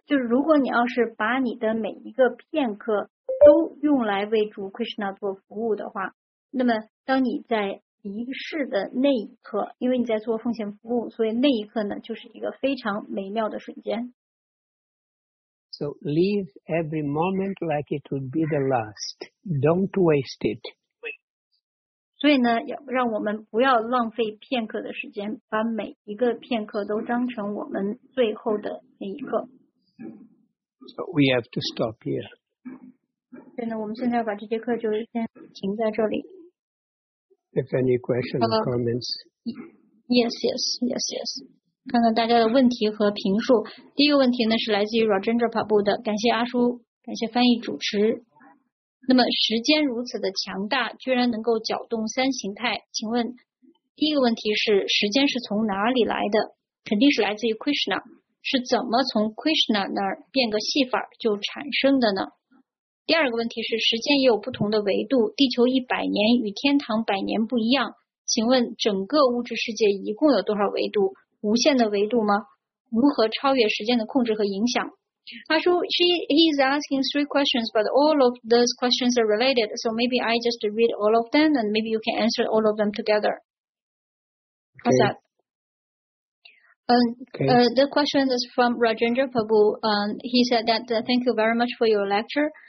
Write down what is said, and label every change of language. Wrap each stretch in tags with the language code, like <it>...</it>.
<zh>就如果你要是把你的每一个片刻都用来为主 Krishna 做服务的话，那么当你在离世的那一刻，因为你在做奉献服务，所以那一刻呢就是一个非常美妙的瞬间。</zh> <en>So leave every moment like it would be the last. Don't waste it.</en> <zh>所以呢，要让我们不要浪费片刻的时间，把每一个片刻都当成我们最后的那一刻。</zh> <en>So we have to stop here.</en> <zh>所以呢，我们现在要把这节课就先停在这里。</zh> <en>If any questions or comments. Yes.</en> <zh>看看大家的问题和评述。第一个问题呢是来自于 Rajendra Prabhu 的，感谢阿叔，感谢翻译主持。那么时间如此的强大，居然能够搅动三形态，请问第一个问题是时间是从哪里来的？肯定是来自于 Krishna， 是怎么从 Krishna 那儿变个戏法就产生的呢？第二个问题是时间也有不同的维度，地球一百年与天堂百年不一样，请问整个物质世界一共有多少维度？无限的维度吗？如何超越时间的控制和影响？</zh> <en>阿叔 ，he is asking three questions, but all of those questions are related. So maybe I just read all of them, and maybe you can answer all of them together. How's that? The question is from Rajendra Prabhu. He said that thank you very much for your lecture.</en>